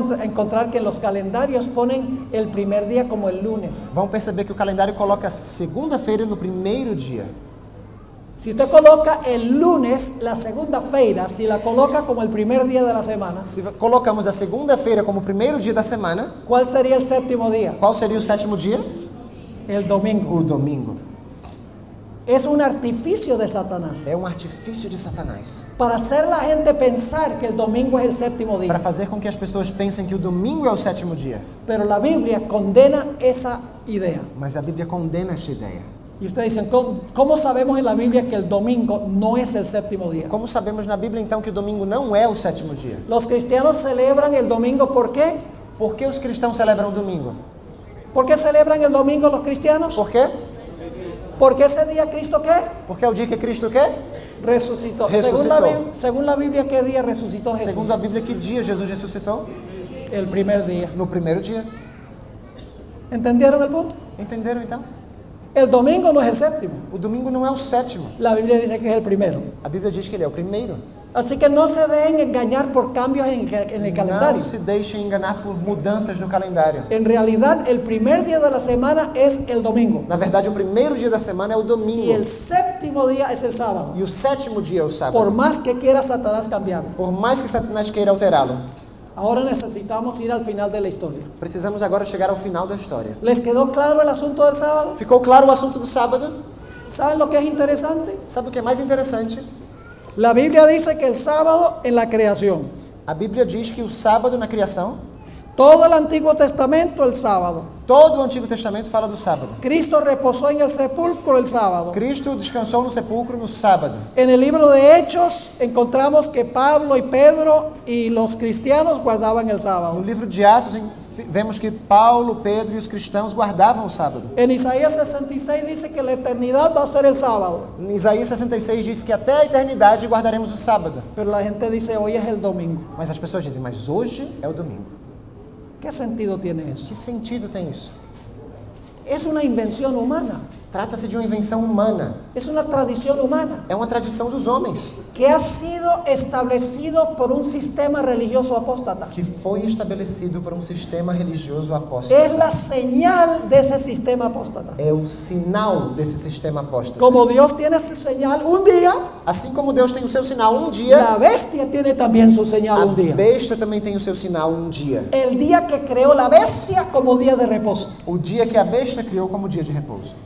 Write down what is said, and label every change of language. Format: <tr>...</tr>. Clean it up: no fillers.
<es>encontrar que los calendarios ponen el primer día como el lunes.</es> <pt>Vão perceber que o calendário coloca segunda-feira no primeiro dia.</pt> <es>Si usted coloca el lunes la segunda feira, si la coloca como el primer día de la semana.</es> <pt>Se colocamos a segunda-feira como o primeiro dia da semana,</pt> <es>¿cuál sería el séptimo día?</es> <pt>Qual seria o sétimo dia?</pt> <es>El domingo.</es> <pt>O domingo.</pt> <es>Es un artificio de Satanás.</es> <pt>É um artifício de Satanás.</pt> <es>Para hacer la gente pensar que el domingo es el séptimo día.</es> <pt>Para fazer com que as pessoas pensem que o domingo é o sétimo dia.</pt> <es>Pero la Biblia condena esa idea.</es> <pt>Mas a Bíblia condena essa ideia.</pt> <es>Y ustedes dicen, ¿cómo sabemos en la Biblia que el domingo no es el séptimo día?</es> <pt>Como sabemos na Bíblia então que o domingo não é o sétimo dia?</pt> <es>Los cristianos celebran el domingo ¿por qué?</es> <pt>Por que os cristãos celebram o domingo?</pt> <es>¿Por qué celebran el domingo los cristianos? ¿Por qué? Porque ese día Cristo ¿qué? Porque el día que Cristo ¿qué? Resucitó. Según la Biblia, ¿qué día resucitó Jesús? Según la Biblia, ¿qué día Jesús resucitó? El primer día.</es> <pt>No primer día.</pt> <es>¿Entendieron el punto? ¿Entendieron entonces? El domingo no es el séptimo. O domingo no es el séptimo. La Biblia dice que es el primero. La Biblia dice que él es el primero. Así que no se dejen engañar por cambios en el calendario.</es> <pt>Não se deixem enganar por mudanças no calendário.</pt> <es>En realidad, el primer día de la semana es el domingo.</es> <pt>Na verdade, o primeiro dia da semana é o domingo.</pt> <es>Y el séptimo día es el sábado.</es> <pt>E o sétimo dia é o sábado.</pt> <es>Por más que quiera Satanás cambiarlo.</es> <pt>Por mais que Satanás queira alterá-lo.</pt> <es>Ahora necesitamos ir al final de la historia.</es> <pt>Precisamos agora chegar ao final da história.</pt> <es>¿Les quedó claro el asunto del sábado?</es> <pt>Ficou claro o assunto do sábado?</pt> <es>¿Saben lo que es interesante?</es> <pt>Sabe o que é mais interessante?</pt> <es>La Biblia dice que el sábado en la creación.</es> <pt>A Bíblia diz que o sábado na criação.</pt> <es>Todo el Antiguo Testamento el sábado.</es> <pt>Todo o Antigo Testamento fala do sábado.</pt> <es>Cristo reposó en el sepulcro el sábado.</es> <pt>Cristo descansou no sepulcro no sábado.</pt> <es>En el libro de Hechos encontramos que Pablo y Pedro y los cristianos guardaban el sábado.</es> <pt>No livro de Atos vemos que Paulo, Pedro e os cristãos guardavam o sábado. Em Isaías 66 diz que a eternidade vai ser o sábado. Em Isaías 66 diz que até a eternidade guardaremos o sábado.</pt> <es>Pero la gente dice, hoy es el domingo.</es> <pt>Mas as pessoas dizem, mas hoje é o domingo.</pt> <es>¿Qué sentido tiene eso?</es> <pt>Que sentido tem isso? É uma invenção humana. Trata-se de uma invenção humana. É uma tradição humana. É uma tradição dos homens. Que ha sido estabelecido por um sistema religioso apóstata. Que foi estabelecido por um sistema religioso apóstata. É a señal desse sistema apóstata. É o sinal desse sistema apóstata. Como Deus tem esse sinal um dia. Assim como Deus tem o seu sinal um dia. A bestia tem também o seu sinal um dia. A besta também tem o seu sinal um dia. O dia que criou a bestia como dia de repouso. O dia que a besta criou como dia de repouso.</pt>